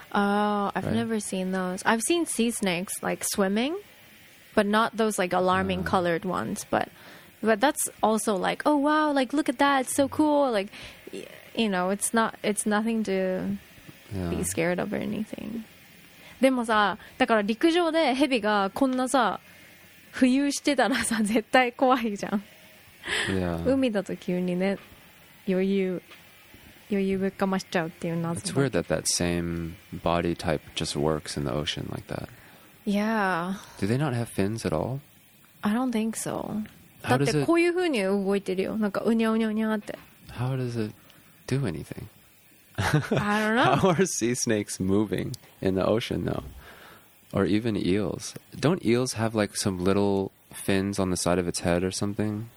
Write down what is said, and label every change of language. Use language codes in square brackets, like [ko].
[en] Oh, I've never seen those. I've seen sea snakes like swimming, but not those like alarming colored ones. But that's also like, oh wow, like look at that, it's so cool. Like, you know, it's nothing to be scared of or anything. [ja] でもさ、だから陸上でヘビがこんなさ浮遊してたらさ絶対怖いじゃん。 [en] Yeah. [ja] 海だと急にね余裕ぶっかましちゃうっていう謎。 [en] It's weird that that same body type just works in the ocean like that. Yeah. Do they not have fins at all? I don't think so. [ja] だってこういう風に動いてるよ。なんかうにゃうにゃうにゃって。 [en] How does it do anything? I don't know. How are sea snakes moving in the ocean though? Or even eels? Don't eels have like some little fins on the side of its head or something?